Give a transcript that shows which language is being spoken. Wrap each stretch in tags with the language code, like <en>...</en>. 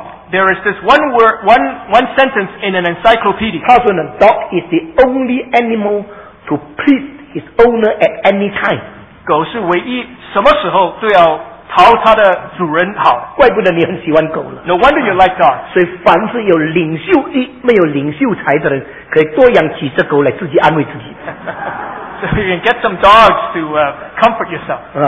<en>There is this one word, one sentence in an encyclopedia.</en> <zh>他说呢,</zh> <en>dog is the only animal to please its owner at any time.</en> <zh>狗是唯一什么时候都要讨他的主人好，怪不得你很喜欢狗了。</zh> <en>No wonder you like dogs。</en> <zh>所以凡是有领袖力没有领袖才的人，可以多养几只狗来自己安慰自己。</zh> <en>So you can get some dogs to comfort yourself.</en>